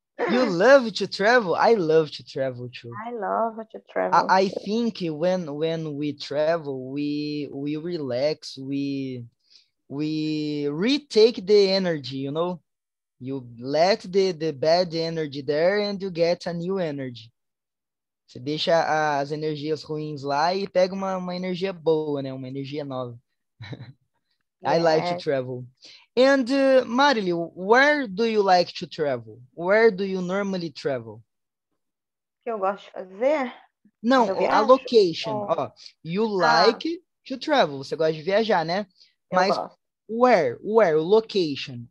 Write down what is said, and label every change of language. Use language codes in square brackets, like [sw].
[en] You love to travel? I love to travel too. I love to travel. I think when we travel, we relax, we retake the energy, you know? You let the bad energy there and you get a new energy. [pt] Você deixa as energias ruins lá e pega uma energia boa, né? Uma energia nova. [en] I like to travel. And Marily, where do you like to travel? Where do you normally travel? [pt] Que eu gosto de fazer? [en] Não, a location. Oh. You like to travel. [pt] Você gosta de viajar, né? Mas [en] where? Location.